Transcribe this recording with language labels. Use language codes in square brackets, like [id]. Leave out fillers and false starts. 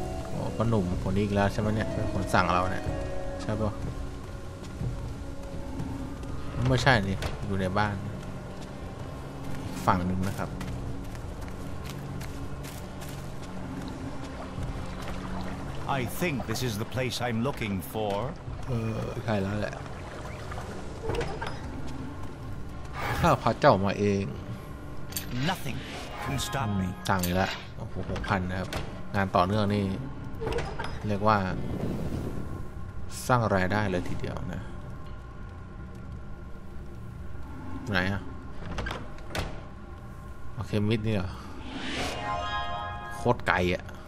[th] โอ้ป้าหนุ่มคนนี้อีกแล้วใช่ไหมเนี่ยเป็นคนสั่งเราเนี่ยใช่ป่ะไม่ใช่นี่อยู่ในบ้านฝั่งหนึ่งนะครับ [en] I think this is the place I'm looking for [th] ใช่แล้วแหละข้าพระเจ้ามาเอง [en] Nothing can stop me [th] ต่างอีกแล้วโอ้โห 6,000 นะครับงานต่อเนื่องนี่เรียกว่าสร้างรายได้เลยทีเดียวนะไหนอ่ะโอเคมิดนี่เหรอโคตรไกลอ่ะ